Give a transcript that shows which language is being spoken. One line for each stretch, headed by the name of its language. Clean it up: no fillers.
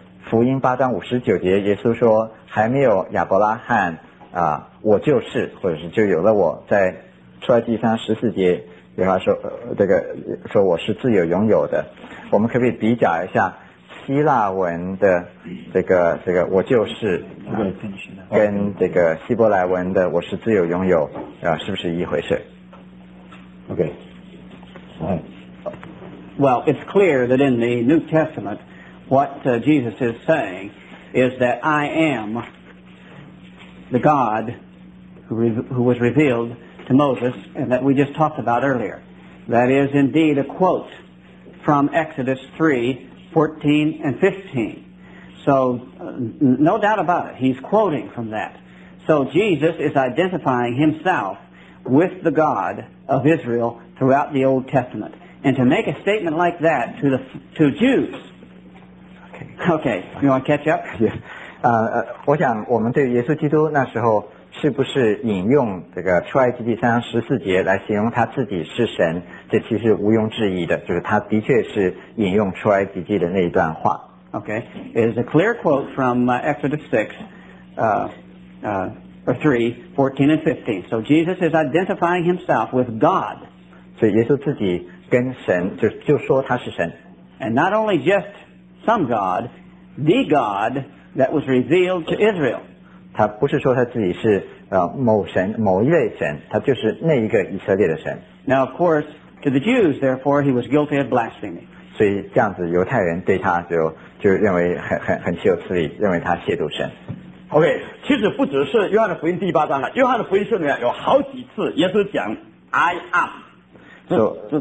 Chinese: 福音八章五十九节，耶稣说还没有亚伯拉罕啊，我就是，或者是就有了我，在出埃及记上十四节有话说，这个说我是自由拥有的。我们可不可以比较一下希腊文的这个我就是、啊、跟这个希伯来文的我是自由拥有啊，是不是一回事？OK， 哎
English: ，Well， it's clear that in the New Testament, what Jesus is saying is that I am the God who was revealed to Moses and that we just talked about earlier. That is indeed a quote from Exodus 3:14 and 15. So no doubt about it, he's quoting from that. So Jesus is identifying himself with the God of Israel throughout the Old Testament. And to make a statement like that to the to Jews. Okay, you want to catch up? Yeah.
Chinese: 我想我们对耶稣基督那时候是不是引用这个出埃及记三章十四节来形容他自己是神，这其实毋庸置疑的，就是他的确是引用出埃及记的那一段话。
English: Okay, it is a clear quote from Exodus 6 3:14 and 15. So Jesus is identifying himself with God.
Chinese: 所以耶稣自己跟神 就说他是神。
English: And not only just some God, the GodThat was revealed to Israel.
Chinese: 他不是说他自己是某神某一类神，他就是那一个以色列的神。
English: Now, of course, to the Jews, therefore, he was guilty of blasphemy.
Chinese: 所以这样子，犹太人对他就认为很岂有此理，认为他亵渎神。 OK， 其实不只是约翰的福音第八章了，约翰的福音书里面有好几次耶稣讲
English: I am。